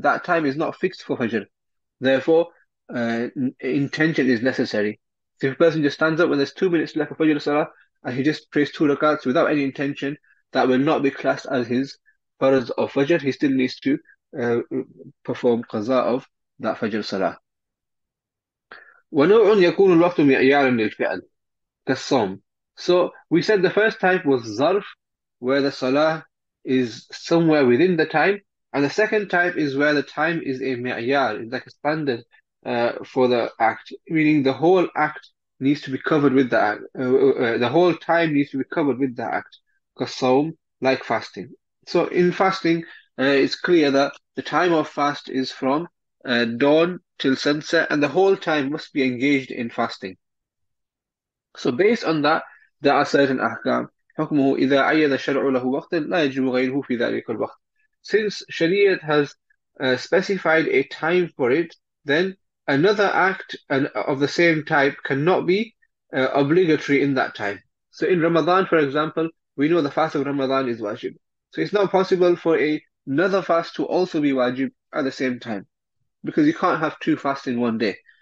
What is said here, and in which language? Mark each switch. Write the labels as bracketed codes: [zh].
[en] That time is not fixed for fajr, therefore intention is necessary. So if a person just stands up when there's 2 minutes left for fajr salah and he just prays two rakats without any intention, that will not be classed as his farz of fajr. He still needs to perform qaza of that fajr salah. [ar] ونوع يكون الوقت معيارا للفعل كالصوم. [en] So we said the first type was zarf, where the salah is somewhere within the time, and the second type is where the time is a mi'yar, it's like a standard for the act, meaning the whole act needs to be covered with that act, the whole time needs to be covered with that act, kasawm, like fasting. So in fasting, it's clear that the time of fast is from dawn till sunset, and the whole time must be engaged in fasting. So based on that, there are certain ahkam. [ar] حكمه إذا عين الشرع له وقتا لا يجب غيره في ذلك الوقت. [en] Since Shariat has specified a time for it, then another act of the same type cannot be obligatory in that time. So in Ramadan, for example, we know the fast of Ramadan is wajib. So it's not possible for another fast to also be wajib at the same time, because you can't have two fasts in one day.